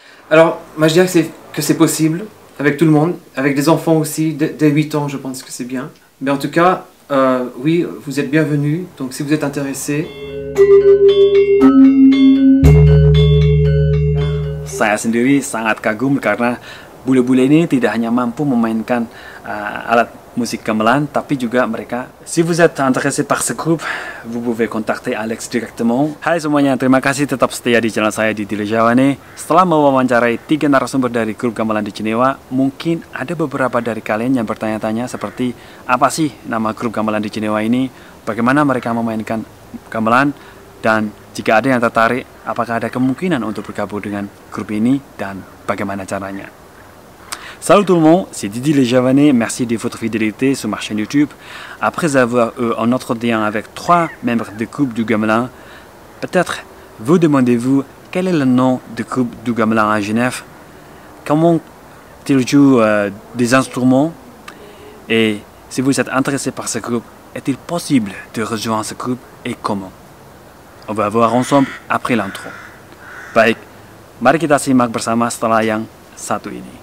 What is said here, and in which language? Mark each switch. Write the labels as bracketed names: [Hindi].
[French] Alors, moi, je dirais que c'est possible, avec tout le monde, avec des enfants aussi, dès 8 ans, je pense que c'est bien. Mais en tout cas, oui, vous êtes bienvenus, donc si vous êtes intéressés. [Indonesian] Saya sendiri sangat kagum karena bule-bule ini tidak hanya mampu memainkan alat musik gamelan, tapi juga mereka. [French] Si vous êtes intéressé par ce groupe, vous pouvez contacter Alex directement. [Indonesian] Hai semuanya, terima kasih tetap setia di channel saya di Dilejawane. Setelah mewawancarai 3 narasumber dari grup gamelan di Jenewa, mungkin ada beberapa dari kalian yang bertanya-tanya seperti apa sih nama grup gamelan di Jenewa ini, bagaimana mereka memainkan gamelan, dan jika ada yang tertarik, apakah ada kemungkinan untuk bergabung dengan grup ini dan bagaimana caranya? [French] Salut tout le monde, c'est Didi Le Javanais, merci de votre fidélité sur ma chaîne YouTube. Après avoir eu un entretien avec 3 membres du groupe du Gamelan, peut-être vous demandez-vous quel est le nom du groupe du Gamelan à Genève, comment ils jouent des instruments, et si vous êtes intéressé par ce groupe, est-il possible de rejoindre ce groupe et comment? On va voir ensemble après l'intro. [Indonesian] Baik, mari kita simak bersama setelah yang satu ini.